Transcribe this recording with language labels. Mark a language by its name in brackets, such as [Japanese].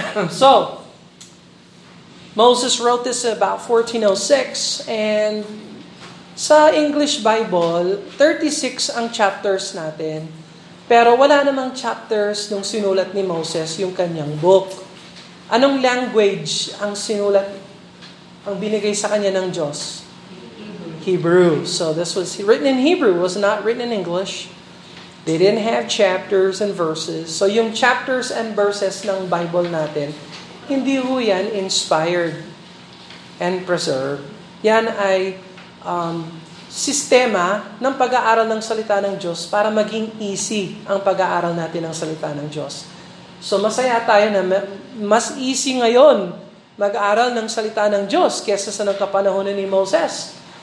[English] So, Moses wrote this about 1406 and [Filipino] sa English Bible, 36 ang chapters natin. Pero wala namang chapters nung sinulat ni Moses yung kanyang book. Anong language ang sinulat, ang binigay sa kanya ng Diyos? Hebrew. [English] So this was written in Hebrew. It was not written in English. They didn't have chapters and verses. [Filipino] So yung chapters and verses ng Bible natin, hindi ho yan [English] inspired and preserved. [Filipino] Yan ay sistema ng pag-aaral ng salita ng Diyos para maging easy ang pag-aaral natin ng salita ng Diyos. So masaya tayo na mas easy ngayon mag-aaral ng salita ng Diyos kesa sa nagkapanahon ni Moses.